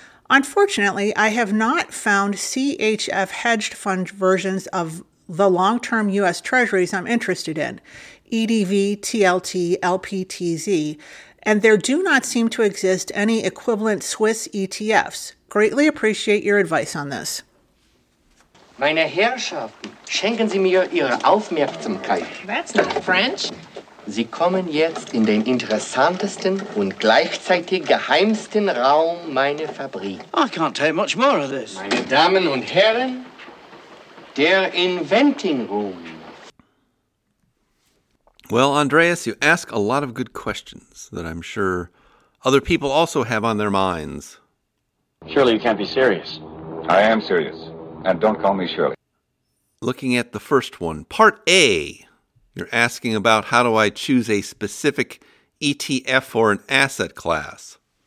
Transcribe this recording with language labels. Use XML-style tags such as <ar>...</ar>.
<en>Unfortunately, I have not found CHF hedged fund versions of the long-term U.S. treasuries I'm interested in, EDV, TLT, LPTZ, and there do not seem to exist any equivalent Swiss ETFs. Greatly appreciate your advice on this.</en> <de>Meine Herrschaften, schenken Sie mir Ihre Aufmerksamkeit.</de> <en>That's not French.</en> <de>Sie kommen jetzt in den interessantesten und gleichzeitig geheimsten Raum meiner Fabrik.</de> <en>I can't take much more of this.</en> <de>Meine Damen und Herren, der Inventing Room.</de> <en>Well, Andreas, you ask a lot of good questions that I'm sure other people also have on their minds. Surely you can't be serious. I am serious. And don't call me Shirley. Looking at the first one, part A, you're asking about how do I choose a specific ETF or an asset class.</en>